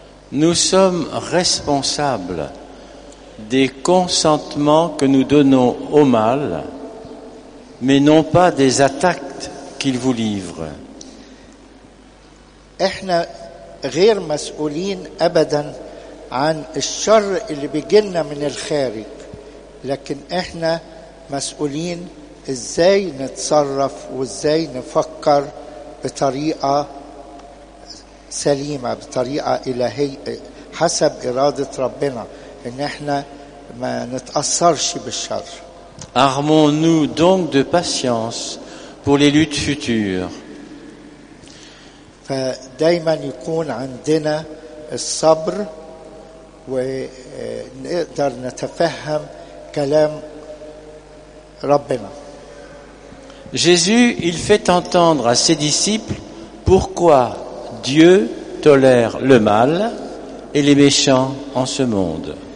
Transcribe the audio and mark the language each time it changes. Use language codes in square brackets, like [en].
[fr] Nous sommes responsables des consentements que nous donnons au mal mais non pas des attaques qu'il vous livre. [ar] احنا غير مسؤولين ابدا عن الشر اللي بيجي لنا من الخارج لكن احنا مسؤولين ازاي نتصرف وازاي نفكر بطريقه سليمه بطريقه الهيه حسب اراده ربنا ان احنا ما نتاثرش بالشر. [fr] Armons-nous donc de patience pour les luttes futures. [ar] فدايما يكون عندنا الصبر ونقدر نتفهم كلام ربنا. [fr] Jésus, il fait entendre à ses disciples pourquoi Dieu tolère le mal et les méchants en ce monde.